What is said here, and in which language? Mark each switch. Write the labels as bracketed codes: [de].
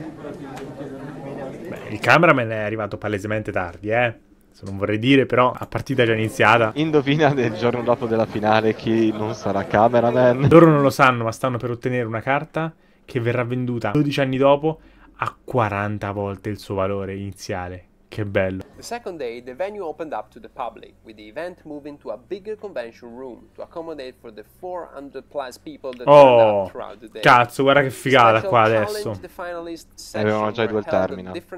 [it] Beh, il cameraman è arrivato palesemente tardi, eh. Se non vorrei dire, però, a partita già iniziata. Indovina del giorno dopo della finale chi non sarà cameraman. Loro non lo sanno, ma stanno per ottenere una carta che verrà venduta 12 anni dopo a 40 volte il suo valore iniziale. Che bello. [en] The second day the venue opened up to the public with the event moving to a bigger convention room to accommodate for the 400 plus people that turned up throughout the day. [it] Cazzo, guarda che figata qua adesso. Avevano già i due termini.